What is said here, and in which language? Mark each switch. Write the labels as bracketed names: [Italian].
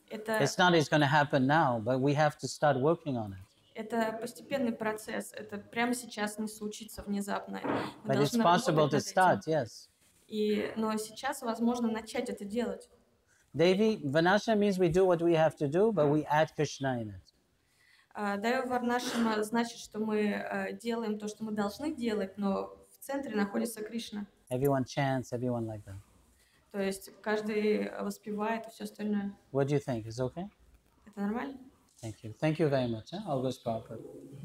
[English] It's not it's going to happen now, but we have to start working on it. [Russian] Это постепенный процесс. Это прямо сейчас не случится внезапно. [English] But it's possible to start, yes. [Russian] И, но сейчас возможно начать это делать. [English] Devi Varnashrama means we do what we have to do, but we add Krishna in it. [Russian] Devi Varnashrama значит, что мы делаем то, что мы должны делать, но в центре находится Кришна. [English] Everyone chants, everyone like that. [Russian] То есть каждый воспевает и все остальное. [English] What do you think? Is it okay? [Russian] Это нормально? [English] Thank you. Thank you very much. August Prabhupada.